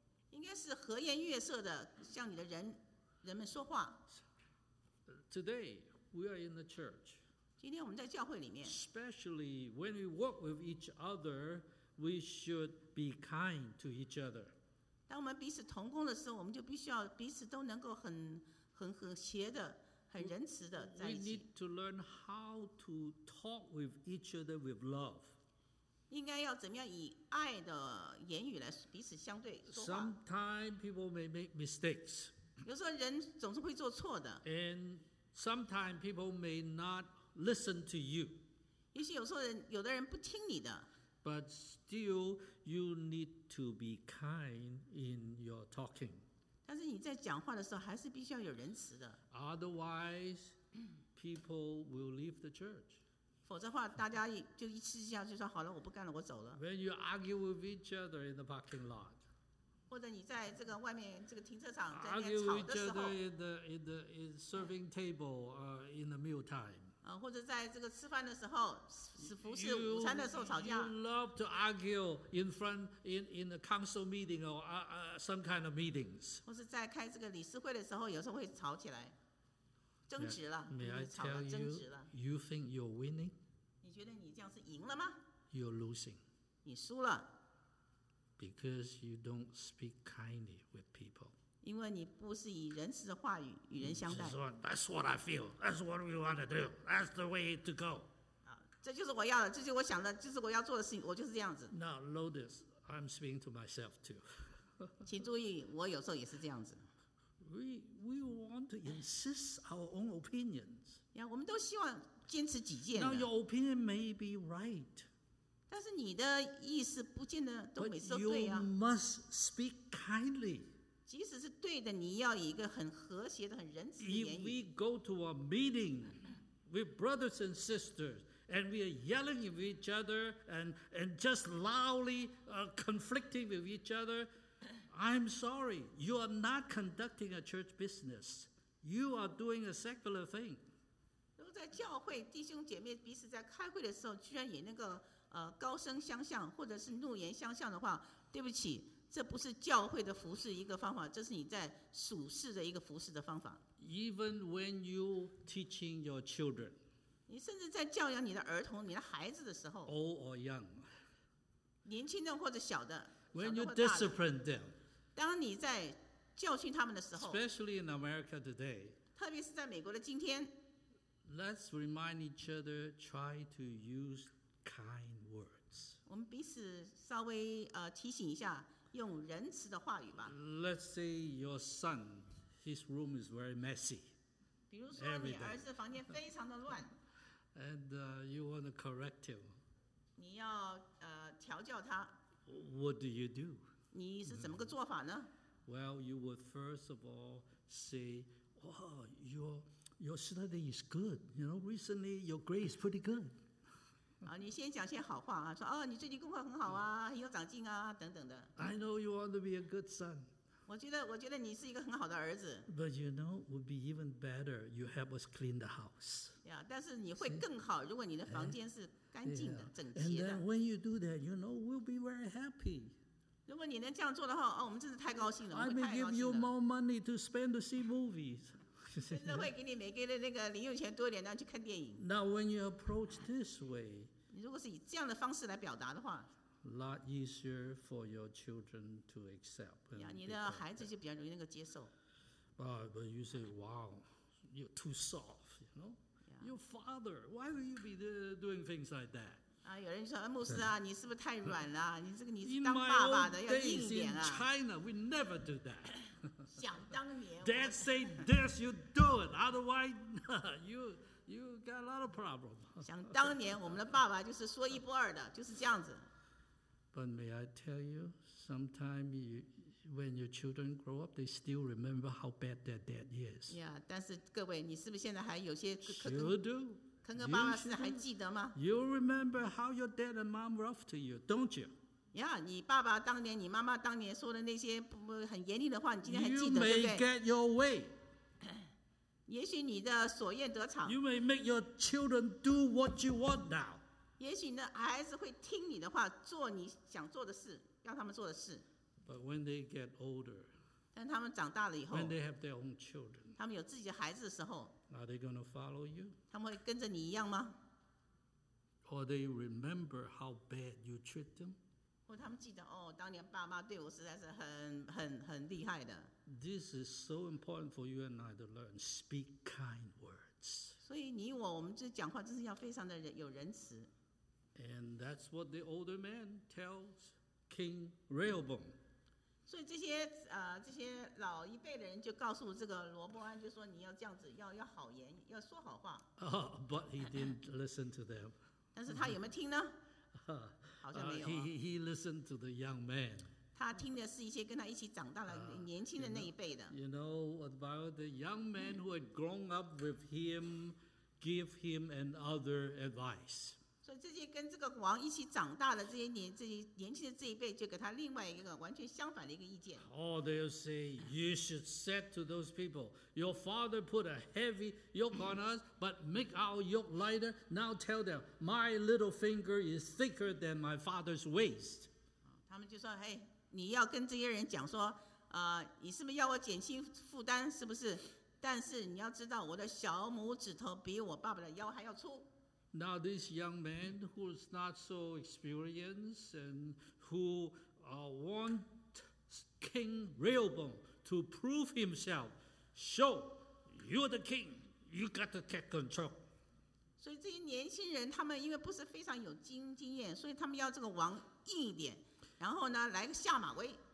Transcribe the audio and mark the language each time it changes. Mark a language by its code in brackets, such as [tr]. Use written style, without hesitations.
[zh] 应该是和颜悦色的向你的人们说话。 [en] Today we are in the church. [zh] 今天我们在教会里面。 [en] Especially when we work with each other, we should be kind to each other. [zh] 当我们彼此同工的时候，我们就必须要彼此都能够很和谐的、很仁慈的在一起。 [en] We need to learn how to talk with each other with love. [zh] 应该要怎么样以爱的言语来彼此相对说话。 [en] Sometimes people may make mistakes. [zh] 有时候人总是会做错的。 [en] And sometimes people may not. Listen to you. [zh] 也许有时候有的人不听你的。 [en] But still, you need to be kind in your talking. [zh] 但是你在讲话的时候，还是必须要有仁慈的。 [en] Otherwise, people will leave the church. [zh] 否则的话，大家就一气之下就说好了，我不干了，我走了。 [en] When you argue with each other in the parking lot. [zh] 或者你在这个外面这个停车场在那吵的时候。 [en] Argue with each other in serving table, in the meal time. [zh] 或者在这个吃饭的时候，服侍午餐的时候吵架。 [en] You love to argue in the council meeting or some kind of meetings. [zh] 或是在开这个理事会的时候，有时候会吵起来，争执了。 [en] May I tell you, [zh] 吵了，争执了。 [en] You think you're winning? [zh] 你觉得你这样是赢了吗？ [en] You're losing. [zh] 你输了。 [en] Because you don't speak kindly with people. [zh] 因为你不是以仁慈的话语与人相待。 [en] That's what I feel. That's what we want to do. That's the way to go. [zh] 这就是我要的，这就是我想的，这是我要做的事情，我就是这样子。 [en] Now, Lotus, I'm speaking to myself too. [zh] 请注意，我有时候也是这样子。 [en] We want to insist our own opinions. [zh] 我们都希望坚持己见。 [en] Now, your opinion may be right. [zh] 但是你的意思不见得都每次都对啊。 [en] But you must speak kindly. [zh] 即使是对的，你要以一个很和谐的、很仁慈的言语。 [en] If we go to a meeting with brothers and sisters, and we are yelling at each other and just loudly conflicting with each other, I'm sorry, you are not conducting a church business. You are doing a secular thing. [zh] 如果在教会弟兄姐妹彼此在开会的时候，居然也那个高声相向，或者是怒言相向的话，对不起。这不是教会的服侍一个方法，这是你在属事的一个服侍的方法。 [en] Even when you teaching your children, [zh] 你甚至在教养你的儿童、你的孩子的时候 [en] ，old or young, [zh] 年轻的或者小的 [en] ，when you discipline them, [zh] 当你在教训他们的时候 [en] ，especially in America today, [zh] 特别是在美国的今天 [en] ，let's remind each other, try to use kind words. [zh] 我们彼此稍微提醒一下。用仁慈的话语吧。 [en] Let's say your son, his room is very messy. [zh] 比如说你儿子的房间非常的乱。 [en] And you want to correct him. [zh] 你要调教他。 [en] What do you do? [zh] 你是怎么个做法呢？ [en] Well, you would first of all say, "Oh, your study is good. You know, recently your grade is pretty good." [zh] 好，你先讲些好话啊，说哦，你最近功课很好啊，很有长进啊，等等的。 [en] I know you want to be a good son. [zh] 我觉得你是一个很好的儿子。 [en] But you know, it would be even better you help us clean the house. [zh] Yeah, 但是你会更好，如果你的房间是干净的、整洁的。 [en] And then when you do that, you know, we'll be very happy. [zh] 如果你能这样做的话，哦，我们真是太高兴了。 [en] I may give you more money to spend to see movies. [zh] 真的会给你每个月那个零用钱多一点，让去看电影。 [en] Now when you approach this way, [zh] 你如果是以这样的方式来表达的话。 [en] Lot easier for your children to accept. [zh] Yeah, 你的孩子就比较容易能够接受。 [en] But you say, "Wow, you're too soft." You know,、 your father. Why will you be doing things like that? [zh] 有人说牧师啊，你是不是太软了？你这个你是当爸爸的要硬点啊。 [en] In my old days in China, we never do that. [zh] 想当年。 [en] Dad say this, you do it. Otherwise, you got a lot of problems. [zh] 想当年，我们的爸爸就是说一不二的，就是这样子。 [en] But may I tell you, sometimes when your children grow up, they still remember how bad their dad is. [zh] Yeah, 但是各位，你是不是现在还有些坑哥爸爸是还记得吗 [en] ？You remember how your dad and mom were rough to you, don't you? [zh] Yeah, 你爸爸当年，你妈妈当年说的那些很严厉的话，你今天还记得对不对 [en] ？You may get your way. [zh] 也许你的所愿得偿。 [en] You may make your children do what you want now. [zh] 也许你的孩子会听你的话，做你想做的事，要他们做的事。 [en] But when they get older, [zh] 但他们长大了以后 [en] when they have their own children, [zh] 他们有自己的孩子的时候 [en] are they going to follow you? [zh] 他们会跟着你一样吗 [en] Or they remember how bad you treat them? [zh] 或他们记得、哦、当年爸妈对我实在是 很厉害的 [en] This is so important for you and I to learn. Speak kind words. [zh] 所以你我们这讲话真是要非常的有仁慈。 [en] And that's what the older man tells King Rehoboam. [zh] 所以这些老一辈的人就告诉这个罗伯安，就说你要这样子，要好言，要说好话。 [en] But he didn't listen to them. [zh] 但是他有没有听呢？好像没有、啊。 [en] He listened to the young man. [zh] 他听的是一些跟他一起长大的年轻的那一辈的。 [en] You know about the young man who had grown up with him, give him and other advice. [zh] 所以这些跟这个王一起长大的这些年轻的这一辈，就给他另外一个完全相反的一个意见。 [en] Oh, they'll say you should say to those people, your father put a heavy yoke on us, but make our yoke lighter. Now tell them, my little finger is thicker than my father's waist. [zh] 他们就说，嘿。你要跟这些人讲说、你是不是要我减轻负担是不是但是你要知道我的小拇指头比我爸爸的腰还要粗 [en] Now this young man who is not so experienced and who、wants King Rehoboam to prove himself show you're the king you got to take control [zh] 所以这些年轻人他们因为不是非常有经验所以他们要这个王硬一点然后呢，来个下马威。